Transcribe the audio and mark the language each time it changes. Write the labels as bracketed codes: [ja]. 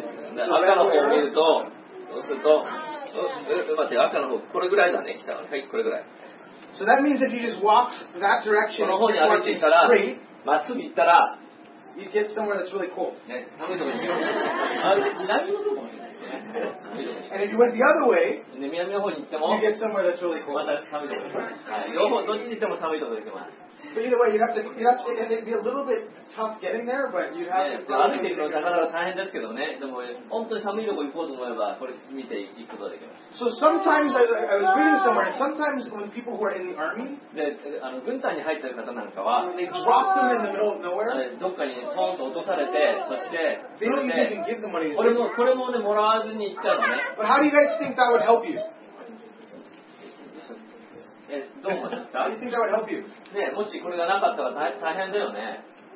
[ja] 赤の方を見ると、そうすると、そうすると、待って、赤の方、これぐらいだね、北は。はい、これぐらい。 [en] So that means if you just walk that direction, [ja] この方に歩いていたら、まっすぐ行ったら、 [en] you get somewhere that's really cool. [ja] ね、寒いとこに行くの。南のとこに行く。 [en] And if you went the other way, [ja] 南の方に行っても、 [en] you get somewhere that's really cool. [ja] また寒いとこに行く。両方どっちに行っても寒いとこに行きます。 [en] But either way, you'd have to, and it'd be a little bit tough getting there, but you'd have to. [ja] 歩いていくのはなかなか大変ですけどね。でも本当に寒いとこ行こうと思えば、これ見て行くことができます。 [en] So sometimes I was reading somewhere, and sometimes when people who are in the army, they drop them in the middle of nowhere. [ja] どっかにポンと落とされて、そして、 [en] they don't even give the money. [ja] これもね、もらわずに行ったのね。 [en] But how do you guys think that would help you? [ja] どう思いますか? [en] How do you think that would help you? [ja] ね、もしこれがなかったら大変だよね。